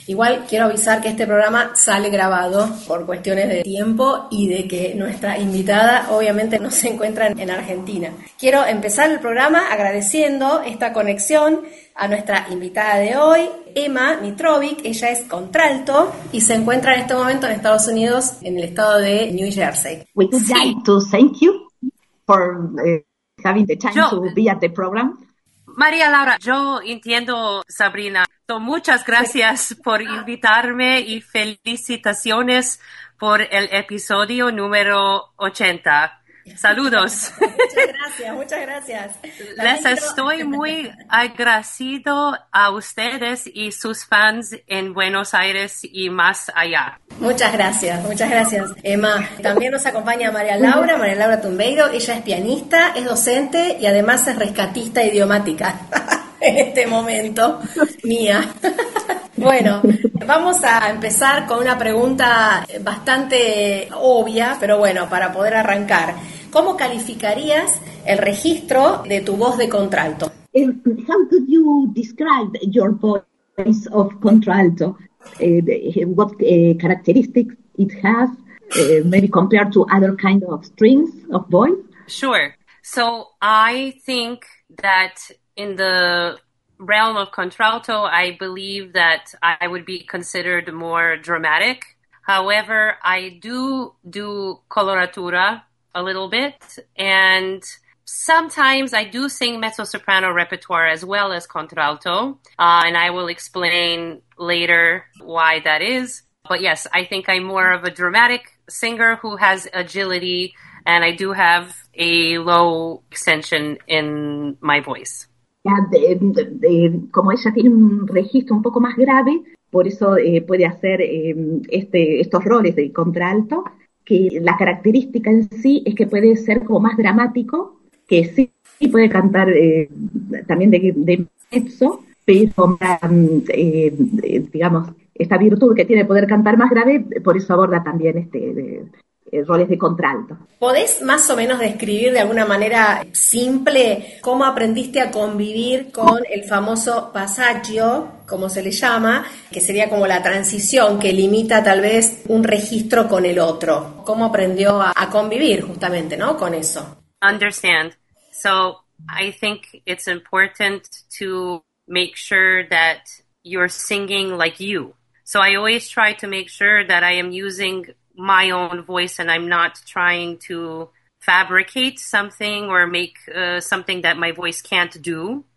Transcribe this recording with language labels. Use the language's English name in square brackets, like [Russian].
[Spanish] Igual quiero avisar que este programa sale grabado por cuestiones de tiempo y de que nuestra invitada obviamente no se encuentra en Argentina. Quiero empezar el programa agradeciendo esta conexión a nuestra invitada de hoy, Emma Mitrovic. Ella es contralto y se encuentra en este momento en Estados Unidos, en el estado de New Jersey. [English] We'd like to thank you for having the time to be at the program. [Spanish] María Laura, yo entiendo, Sabrina. Muchas gracias por invitarme y felicitaciones por el episodio número 80. Saludos. Muchas gracias, muchas gracias. Estoy muy agradecido a ustedes y sus fans en Buenos Aires y más allá. Muchas gracias, Emma. También nos acompaña María Laura Tumbeiro. Ella es pianista, es docente y además es rescatista idiomática. En este momento, mía. Bueno, vamos a empezar con una pregunta bastante obvia, pero bueno, para poder arrancar. ¿Cómo calificarías el registro de tu voz de contralto? [English] How could you describe your voice of contralto? What characteristics it has? Maybe compared to other kind of strings of voice? Sure. So I think that in the realm of contralto, I believe that I would be considered more dramatic. However, I do coloratura a little bit, and sometimes I do sing mezzo-soprano repertoire as well as contralto, and I will explain later why that is. But yes, I think I'm more of a dramatic singer who has agility, and I do have a low extension in my voice. [Spanish] Como ella tiene un registro un poco más grave, por eso puede hacer estos roles de contralto, que la característica en sí es que puede ser como más dramático, que sí puede cantar también de mezzo, pero digamos, esta virtud que tiene de poder cantar más grave, por eso aborda también roles de contralto. ¿Podés más o menos describir de alguna manera simple cómo aprendiste a convivir con el famoso passaggio, como se le llama, que sería como la transición que limita tal vez un registro con el otro? ¿Cómo aprendió a convivir justamente, ¿no?, con eso? [English] Understand. So, I think it's important to make sure that you're singing like you. So, I always try to make sure that I am using my own voice, and I'm not trying to fabricate something or make something that my voice can't do.